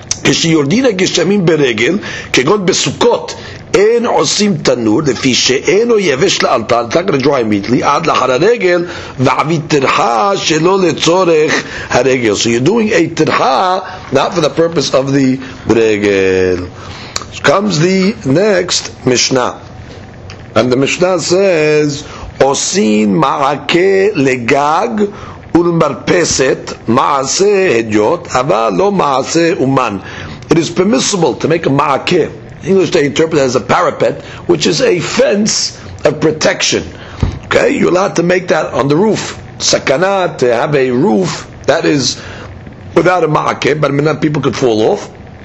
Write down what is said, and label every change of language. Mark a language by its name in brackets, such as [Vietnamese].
[Hebrew] כשיורדין הגשמים ברגל, כגון בסוכות, אין עושים תנור, לפי שאינו יבש לאלתן, עד לאחר הרגל, ועביד תרחה שלא לצורך הרגל. [English] So you're doing a תרחה, not for the purpose of the רגל. Comes the next Mishnah. And the Mishnah says, [Hebrew] עושים מעקה לגג ולמרפסת, מעשה הדיוט, אבל לא מעשה אומן. [English] It is permissible to make a מעקה. English they interpret as a parapet, which is a fence of protection. Okay, you're allowed to make that on the roof. Sakana, to have a roof that is without a ma'akeh, but many people could fall off.